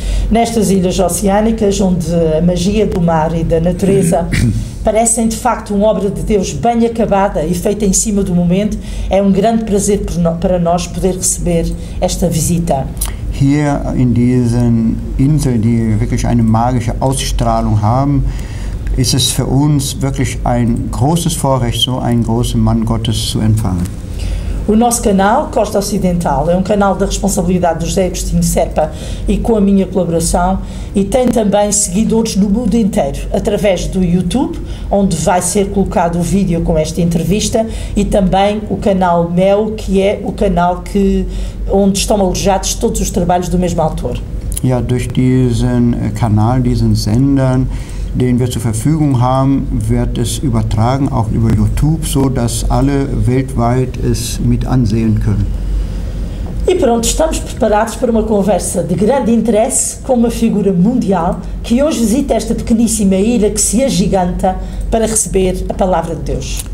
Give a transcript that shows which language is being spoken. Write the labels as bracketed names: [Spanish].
[Portuguese] Nestas ilhas oceânicas, onde a magia do mar e da natureza parecem de facto uma obra de Deus bem acabada e feita em cima do momento, é um grande prazer para nós poder receber esta visita. [German] Hier in diesen Inseln, die wirklich eine magische Ausstrahlung haben, ist es für uns wirklich ein großes Vorrecht, so einen großen Mann Gottes zu empfangen. [Portuguese] O nosso canal, Costa Ocidental, é um canal da responsabilidade do José Agostinho Serpa e com a minha colaboração e tem também seguidores no mundo inteiro, através do YouTube, onde vai ser colocado o vídeo com esta entrevista e também o canal Mel, que é o canal que, onde estão alojados todos os trabalhos do mesmo autor. [German] Ja, durch diesen Kanal, diesen Sendern, den wir zur Verfügung haben, wird es übertragen, auch über YouTube, so dass alle weltweit es mit ansehen können. [Portuguese] E pronto, estamos preparados para uma conversa de grande interesse com uma figura mundial que hoje visita esta pequeníssima ilha que se agiganta para receber a palavra de Deus.